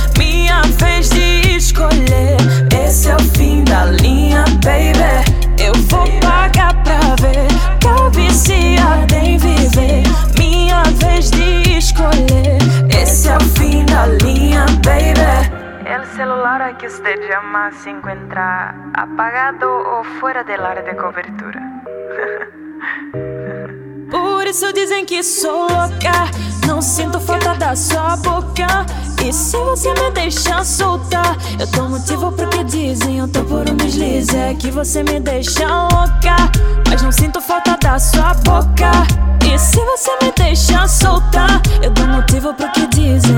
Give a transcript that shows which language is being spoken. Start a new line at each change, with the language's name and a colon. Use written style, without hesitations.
Portuguese: Minha vez de escolher. Esse é o fim da linha, baby. Eu vou pagar pra ver. Tô viciada em viver. Minha vez de escolher. Esse é o fim da linha, baby.
Spanish: El celular que usted llama se encuentra apagado ou fora del área de cobertura.
Portuguese: Por isso dizem que sou louca. Não sinto falta da sua boca. E se você me deixar soltar, eu tô motivo pro que dizem. Eu tô por um deslize. É que você me deixa louca. Mas não sinto falta da sua boca. E se você me deixar soltar, eu dou motivo pro que dizem.